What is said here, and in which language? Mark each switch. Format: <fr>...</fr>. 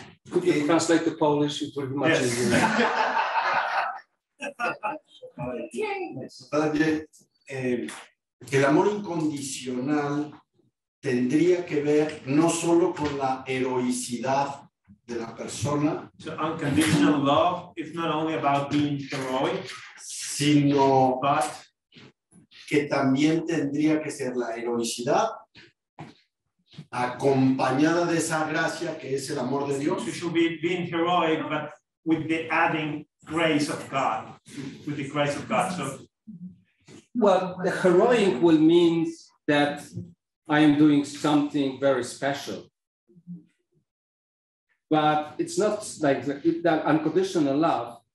<en>Could you translate to Polish? It would be much easier.</en> <es>Padre, el amor incondicional tendría que ver no solo con la heroicidad de la persona,</es> <en>so unconditional love is not only about being heroic,</en> <es>sino</es> <en>but</en> <es>que también tendría que ser la heroicidad acompañada de esa gracia que es el amor de Dios.</es> <en>It should be being heroic, but with the adding grace of God, with the grace of God. So Well, the heroic will mean that I am doing something very special. But it's not like that unconditional love.</en>